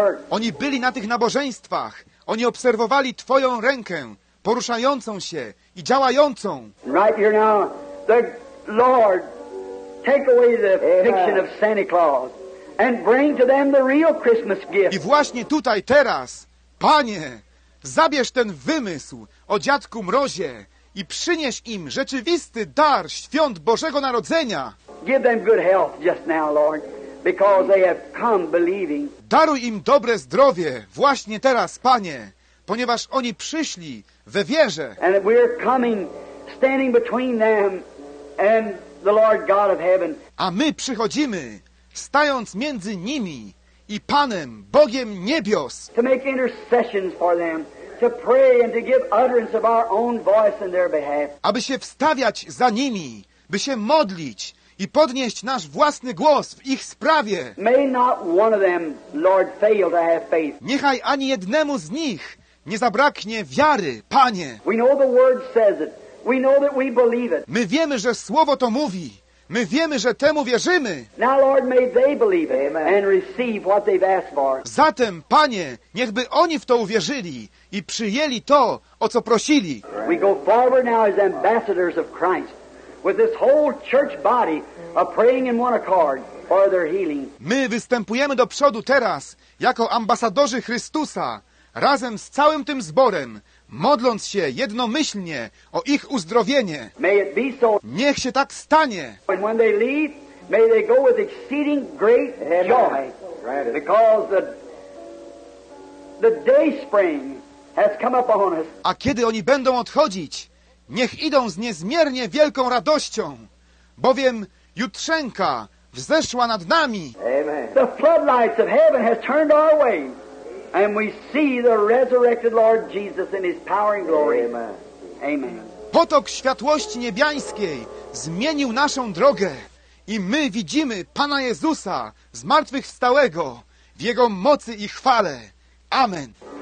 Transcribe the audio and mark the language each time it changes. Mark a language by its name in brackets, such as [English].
[Polish] Oni byli na tych nabożeństwach. Oni obserwowali Twoją rękę poruszającą się i działającą. [English] Right here now, the Lord, take away the fiction of Santa Claus and bring to them the real Christmas gift. [Polish] I właśnie tutaj, teraz, Panie, zabierz ten wymysł o Dziadku Mrozie i przynieś im rzeczywisty dar świąt Bożego Narodzenia. [English] Give them good health just now, Lord, because they have come believing. [Polish] Daruj im dobre zdrowie właśnie teraz, Panie, ponieważ oni przyszli we wierze. [English] And we're coming, standing between them and the Lord God of heaven. [Polish] A my przychodzimy, stając między nimi i Panem, Bogiem niebios. [English] To make intercessions for them, to pray and to give utterance of our own voice in their behalf. [Polish] Aby się wstawiać za nimi, by się modlić i podnieść nasz własny głos w ich sprawie. [English] May not one of them, Lord, fail to have faith. [Polish] Niechaj ani jednemu z nich nie zabraknie wiary, Panie. [English] We know the word says it. We know that we believe it. [Polish] My wiemy, że słowo to mówi. My wiemy, że temu wierzymy. [English] Now, Lord, may they believe it and receive what they've asked for. [Polish] Zatem, Panie, niechby oni w to uwierzyli i przyjęli to, o co prosili. [English] We go forward now as ambassadors of Christ, with this whole church body praying in one accord for their healing. [Polish] My występujemy do przodu teraz jako ambasadorzy Chrystusa, razem z całym tym zborem, modląc się jednomyślnie o ich uzdrowienie. [English] May it be so. [Polish] Niech się tak stanie. [English] And when they leave, may they go with exceeding great joy, because the day spring has come upon us. [Polish] A kiedy oni będą odchodzić, niech idą z niezmiernie wielką radością, bowiem jutrzenka wzeszła nad nami. [English] Amen. The floodlights of heaven has turned our way, and we see the resurrected Lord Jesus in His power and glory. Amen. [Polish] Potok światłości niebiańskiej zmienił naszą drogę i my widzimy Pana Jezusa zmartwychwstałego w Jego mocy i chwale. Amen.